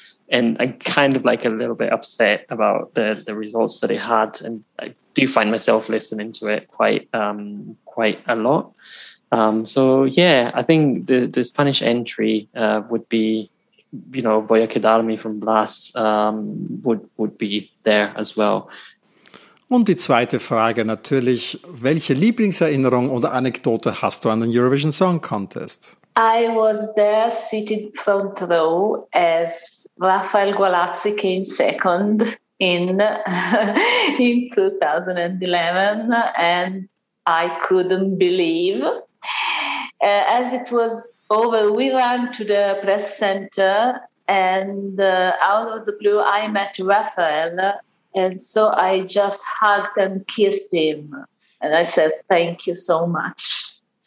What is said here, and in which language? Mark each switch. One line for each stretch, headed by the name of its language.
English: And I'm kind of like a little bit upset about the results that it had. And I do find myself listening to it quite a lot. So, yeah, I think the Spanish entry would be, you know, Voy a quedarme from Blas would be there as well.
German: Und die zweite Frage natürlich, welche Lieblingserinnerung oder Anekdote hast du an den Eurovision Song Contest?
English: I was there sitting front row as Rafael Gualazzi came second in 2011, and I couldn't believe. As it was over, we ran to the press center, and out of the blue, I met Rafael, and so I just hugged and kissed him, and I said, "Thank you so much."